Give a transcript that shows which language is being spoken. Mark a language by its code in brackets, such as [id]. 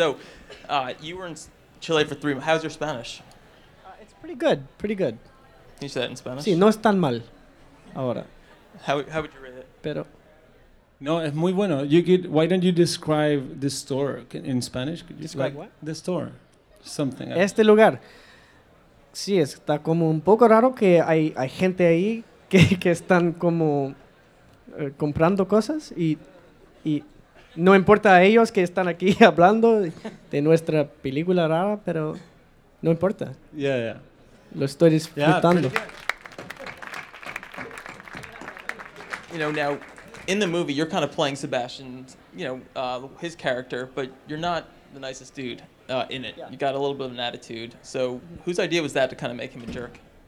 [en] So, you were in Chile for 3 months. How's your Spanish? It's pretty good. Pretty good. Can you say that in Spanish? [es] Sí, no es tan mal. Ahora. [en] How would you rate it? [es] Pero. No, es muy bueno. [en] Why don't you describe the store in Spanish? Could you describe what? The store. Something. [es] Este lugar. Sí, está como un poco raro que hay gente ahí que están como comprando cosas y no importa a ellos que están aquí hablando de nuestra película rara, pero no importa. [en] Yeah, yeah. [es] Lo estoy disfrutando. [en] Yeah, you know, now, in the movie, you're kind of playing Sebastian, you know, his character, but you're not the nicest dude in it. Yeah. You got a little bit of an attitude. So whose idea was that to kind of make him a jerk?